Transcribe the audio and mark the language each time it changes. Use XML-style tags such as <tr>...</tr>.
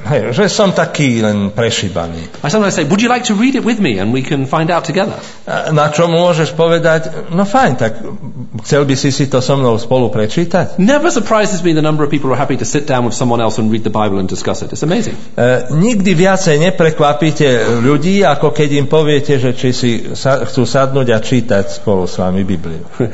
<sk>že som taký len prešibaný.</sk> <en>I sometimes say, would you like to read it with me and we can find out together?</en> <sk>Na čo môžeš povedať, no fajn, tak chcel by si to so mnou spolu prečítať?</sk> <en>Never surprises me the number of people who are happy to sit down with someone else and read the Bible and discuss it. It's amazing.</en> <sk>Nikdy viacej neprekvapíte ľudí, ako keď im poviete, že či si chcú sadnúť a čítať spolu s vami Bibliu.</sk>